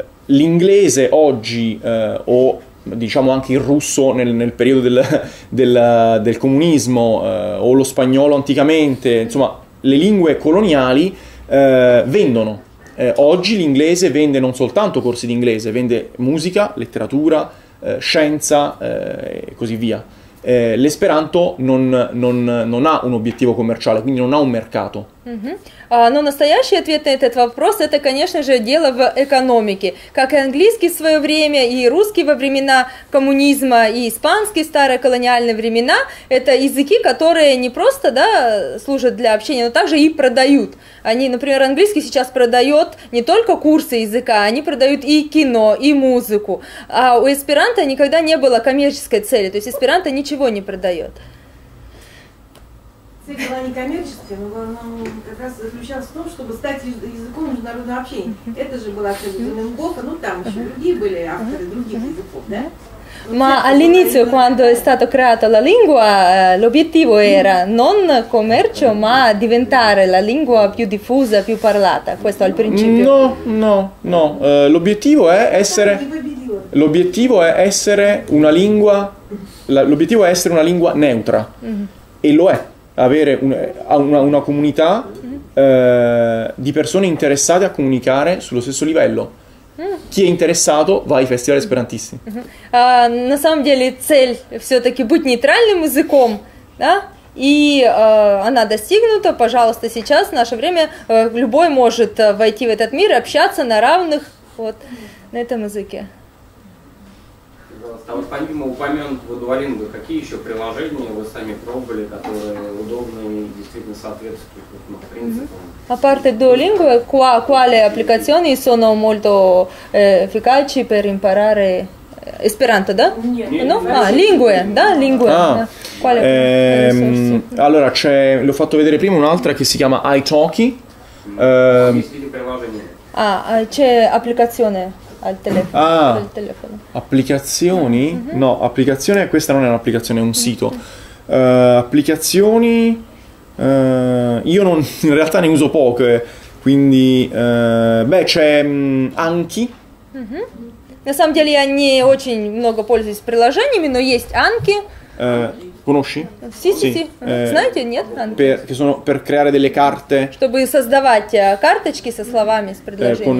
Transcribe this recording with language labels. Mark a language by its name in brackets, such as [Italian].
[Italian] L'inglese oggi, o diciamo anche il russo nel periodo del comunismo, o lo spagnolo anticamente, insomma, le lingue coloniali vendono. Oggi l'inglese vende non soltanto corsi di inglese, vende musica, letteratura, scienza e così via. L'esperanto non ha un obiettivo commerciale, quindi non ha un mercato. [Russian] Но настоящий ответ на этот вопрос – это, конечно же, дело в экономике. Как и английский в свое время, и русский во времена коммунизма, и испанский в старые колониальные времена – это языки, которые не просто, да, служат для общения, но также и продают. Они, например, английский сейчас продает не только курсы языка, они продают и кино, и музыку. А у эсперанто никогда не было коммерческой цели, то есть эсперанто ничего не продает. Цель была не коммерческая, но она как раз заключалась в том, чтобы стать языком международного общения. Это же была цель Деменбока, ну там еще другие были авторы других языков, да? [Italian] Ma all'inizio, quando è stato creato la lingua, l'obiettivo era non commercio, ma diventare la lingua più diffusa, più parlata. Questo al principio. No. L'obiettivo è essere una lingua neutra. E lo è. Avere una comunità di persone interessate a comunicare sullo stesso livello. Chi è interessato va ai festival esperantisti. [Russian] На самом деле цель все-таки быть нейтральным языком, да? И она достигнута, пожалуйста, сейчас в наше время любой может войти в этот мир и общаться на равных вот на этом языке. А вот помимо упомянутого Duolingo, какие еще приложения вы сами пробовали, которые удобны и действительно соответствуют принципам? [Italian] А parte Duolingo, quali applicazioni sono molto efficaci per imparare esperanto, da? Nie. No? Lingue, da? Lingue. Quale? Allora, c'è, l'ho fatto vedere prima, un'altra che si chiama iTalki. C'è applicazione al telefono. Applicazioni? No, applicazione, questa non è un'applicazione, è un sito. Applicazioni, io non, in realtà ne uso poche, quindi, c'è Anki. [Russian] На самом деле я не очень много пользуюсь приложениями, но есть Anki. [Italian] Conosci? [Russian] Sì. Знаете, нет? Anki. [Italian] Per creare delle carte. [Russian] Чтобы создавать карточки со словами, с предложениями.